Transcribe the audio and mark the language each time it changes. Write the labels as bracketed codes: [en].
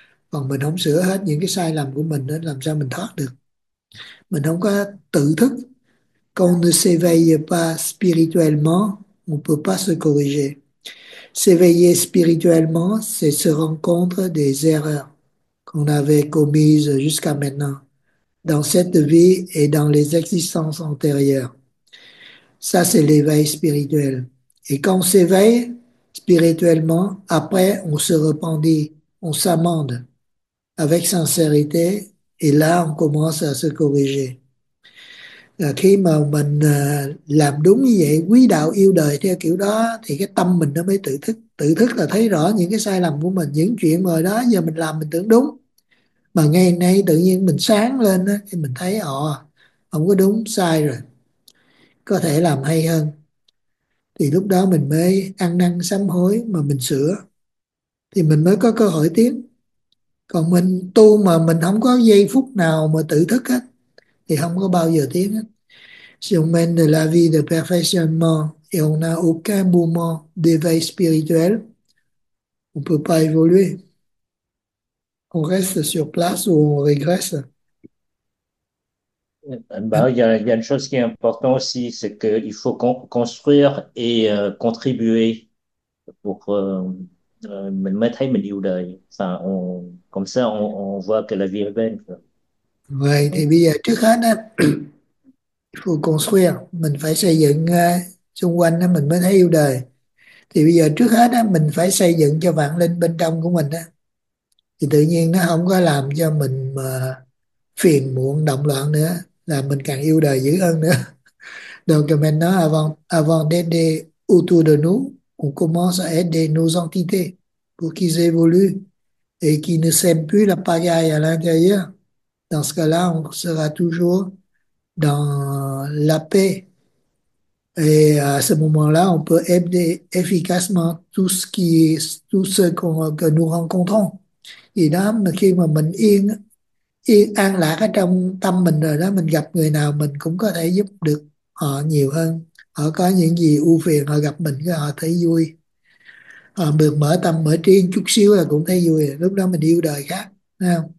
[vi] Còn mình không sửa hết những cái sai lầm của mình đó làm sao mình thoát được, mình không có tự thức. [fr] Quand on ne s'éveille pas spirituellement, on ne peut pas se corriger. S'éveiller spirituellement, c'est se rendre compte des erreurs qu'on avait commises jusqu'à maintenant dans cette vie et dans les existences antérieures. Ça, c'est l'éveil spirituel. Et quand on s'éveille spirituellement, après, on se repentit, on s'amende avec sincérité, et là, on commence à se corriger. [vi] Là khi mà mình làm đúng như vậy, quý đạo yêu đời theo kiểu đó, thì cái tâm mình nó mới tự thức. Tự thức là thấy rõ những cái sai lầm của mình, những chuyện mà đó giờ mình làm mình tưởng đúng. Mà ngày nay tự nhiên mình sáng lên đó, thì mình thấy không có đúng sai rồi, có thể làm hay hơn, thì lúc đó mình mới ăn năn sám hối mà mình sửa thì mình mới có cơ hội tiến. Còn mình tu mà mình không có giây phút nào mà tự thức hết thì không có bao giờ tiến hết. [fr] Si on mène de la vie de perfectionnement et on n'a aucun mouvement d'éveil spirituel, on peut pas évoluer. On reste sur place ou on régresse? Ben, il y a une chose qui est importante aussi, c'est qu'il faut construire et contribuer pour mettre un milieu d'œil. Enfin, comme ça, on voit que la vie est belle. [vi] Vậy thì bây giờ trước hết á, [fr] il faut construire, [vi] mình phải xây dựng xung quanh á, mình mới thấy yêu đời. Thì bây giờ trước hết á, mình phải xây dựng cho vạn linh bên trong của mình á. Thì tự nhiên nó không có làm cho mình mà phiền muộn động loạn nữa, là mình càng yêu đời dữ hơn nữa. [fr] Donc maintenant, avant d'aider autour de nous, on commence à aider nos entités pour qu'ils évoluent et qu'ils ne sèment plus la pagaille à l'intérieur. Dans ce cas-là, on sera toujours dans la paix. Et à ce moment-là, on peut aider efficacement tout ce que nous rencontrons. [vi] Vì đó mà khi mà mình yên an lạc ở trong tâm mình rồi đó, mình gặp người nào mình cũng có thể giúp được họ nhiều hơn. họ có những gì ưu phiền họ gặp mình họ thấy vui, họ được mở tâm mở trí chút xíu là cũng thấy vui, lúc đó mình yêu đời khác, thấy không?